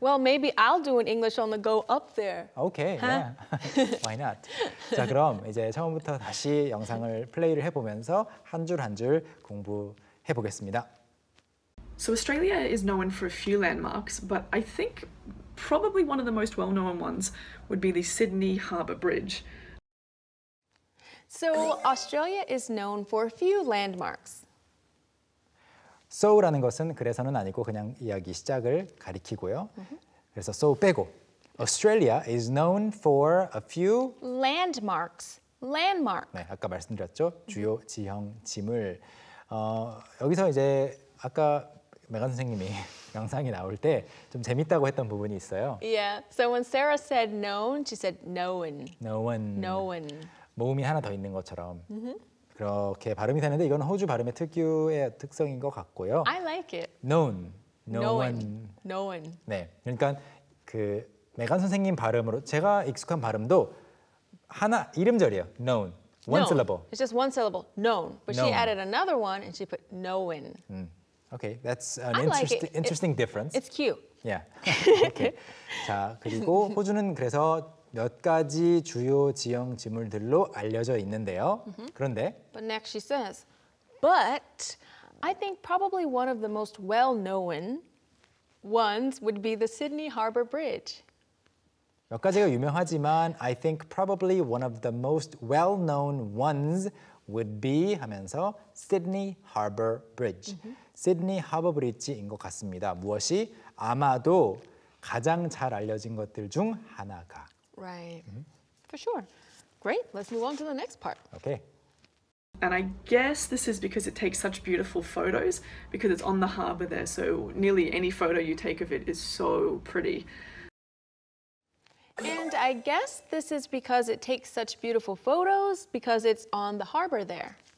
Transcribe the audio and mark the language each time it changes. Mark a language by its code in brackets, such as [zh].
[en] Well, maybe I'll do an English on the go up there. Okay, huh? yeah. Why not? [ko] 자, 그럼 이제 처음부터 다시 영상을 플레이를 해보면서 한 줄 한 줄 공부해보겠습니다. [en] So Australia is known for a few landmarks, but I think probably one of the most well-known ones would be the Sydney Harbour Bridge. So Australia is known for a few landmarks. [ko] So라는 것은 그래서는 아니고 그냥 이야기 시작을 가리키고요. [en] Mm-hmm. [ko] 그래서 [en] so [ko] 빼고 [en] Australia is known for a few landmarks. [ko] 네, 아까 말씀드렸죠. 주요 지형 지물. 여기서 이제 아까 메간 선생님이 영상이 나올 때 좀 재밌다고 했던 부분이 있어요. [en] Yeah. So when Sarah said known, she said known. Known. [ko] 모음이 하나 더 있는 것처럼. Mm-hmm. 그렇게 발음이 되는데 이건 호주 발음의 특유의 특성인 것 같고요. [en] I like it. Known. Known. [ko] 네, 그러니까 그 메간 선생님 발음으로 제가 익숙한 발음도 하나 이름절이에요. Known. [en] One syllable. It's just one syllable. Known. But known. She added another one and she put known. Okay, that's an interesting difference. It's cute. Yeah. Okay. [ko] 자, 그리고 호주는 그래서 몇 가지 주요 지형 지물들로 알려져 있는데요. Mm-hmm. 그런데 [en] But next she says, but I think probably one of the most well-known ones would be the Sydney Harbour Bridge. [ko] 몇 가지가 유명하지만 [en] I think probably one of the most well-known ones would be [ko] 하면서 [en] Sydney Harbour Bridge. [ko] Mm-hmm. Sydney Harbour Bridge인 것 같습니다. 무엇이 아마도 가장 잘 알려진 것들 중 하나가. [en] Right. Mm-hmm. For sure. Great. Let's move on to the next part. Okay. And I guess this is because it takes such beautiful photos because it's on the harbour there. So nearly any photo you take of it is so pretty. And I guess this is because it takes such beautiful photos because it's on the harbor there.